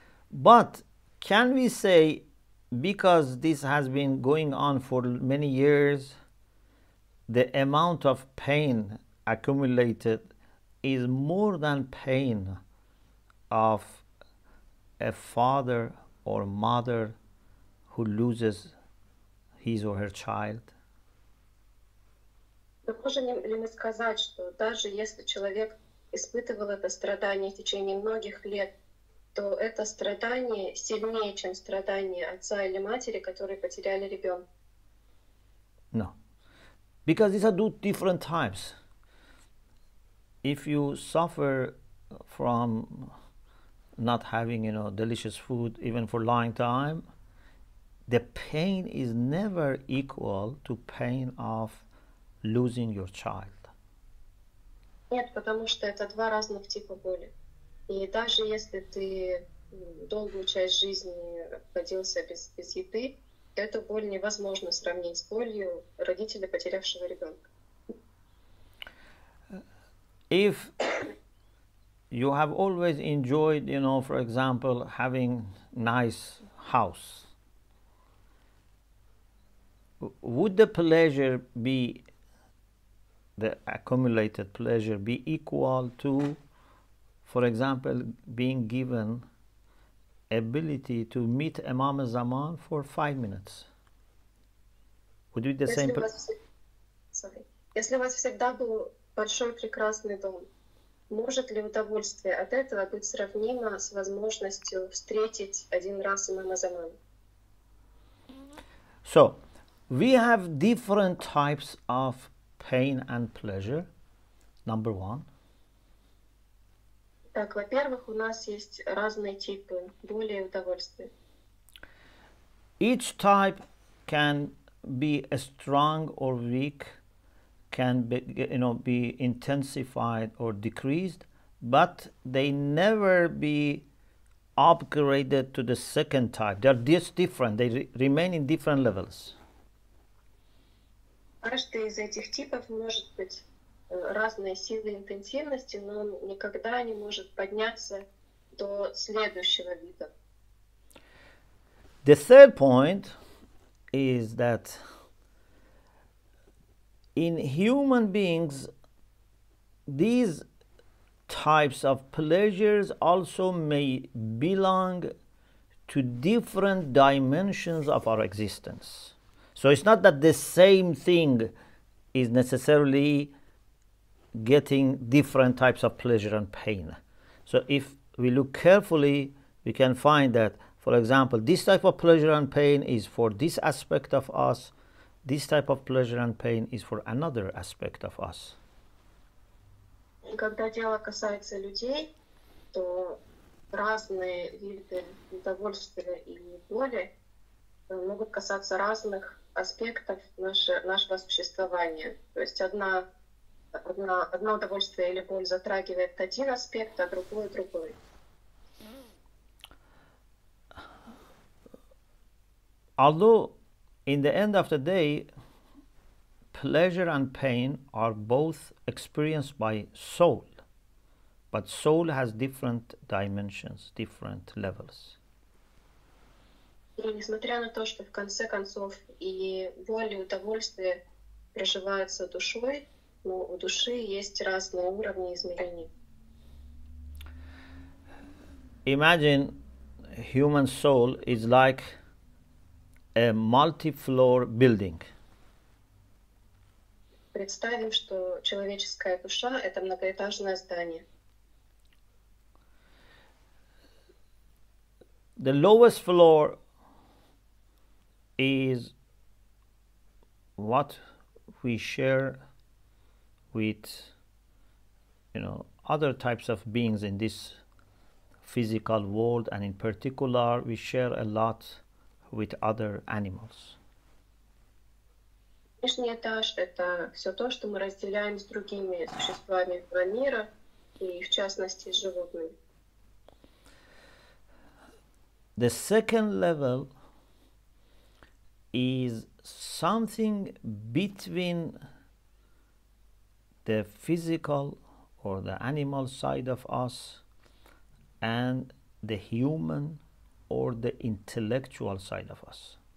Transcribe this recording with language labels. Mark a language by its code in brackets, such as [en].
[en] But can we say, because this has been going on for many years, the amount of pain accumulated is more than pain of a father or mother who loses his or her child? [ru] Можем ли мы сказать, что даже если человек испытывал это страдание в течение многих лет, то это страдание сильнее, чем страдание отца или матери, которые потеряли ребенка? [en] No. Because these are two different types. If you suffer from not having, you know, delicious food even for long time, the pain is never equal to pain of losing your child. [ru] Нет, потому что это два разных типа боли. И даже если ты долгую часть жизни родился без еды, эту боль невозможно сравнить с болью родителя, потерявшего ребенка. [en] If you have always enjoyed, you know, for example, having nice house, would the pleasure be, the accumulated pleasure, be equal to, for example, being given ability to meet Imam Zaman for 5 minutes. Would it be the same? [ru] Если у вас всегда был большой прекрасный дом, может ли удовольствие от этого быть сравнимо с возможностью встретить один раз Имама Замана? [en] So, we have different types of pain and pleasure, number one. [ru] Так, во-первых, у нас есть разные типы боли и удовольствия. [en] Each type can be strong or weak, can be, you know, be intensified or decreased, but they never be upgraded to the second type. They are just different. They remain in different levels. [ru] Каждый из этих типов может быть разной силы и интенсивности, но он никогда не может подняться до следующего вида. [en] The third point is that in human beings, these types of pleasures also may belong to different dimensions of our existence. So it's not that the same thing is necessarily getting different types of pleasure and pain. So if we look carefully, we can find that, for example, this type of pleasure and pain is for this aspect of us, this type of pleasure and pain is for another aspect of us. [ru] Когда дело касается людей, то разные виды удовольствия и боли могут касаться разных аспектов нашего существования. То есть одно удовольствие или боль затрагивает один аспект, а другое другой. [en] Although in the end of the day, pleasure and pain are both experienced by soul, but soul has different dimensions, different levels. [ru] И несмотря на то, что в конце концов и боль, и удовольствие проживаются душой, но у души есть разные уровни измерений. [en] Imagine human soul is like a multi-floor building. [ru] Представим, что человеческая душа — это многоэтажное здание. [en] The lowest floor is what we share with, you know, other types of beings in this physical world, and in particular, we share a lot with other animals. [ru] Нижний этаж — это все то, что мы разделяем с другими существами этого мира, и в частности, с животными. [en] The second level is something between the physical or the animal side of us and the human or the intellectual side of us.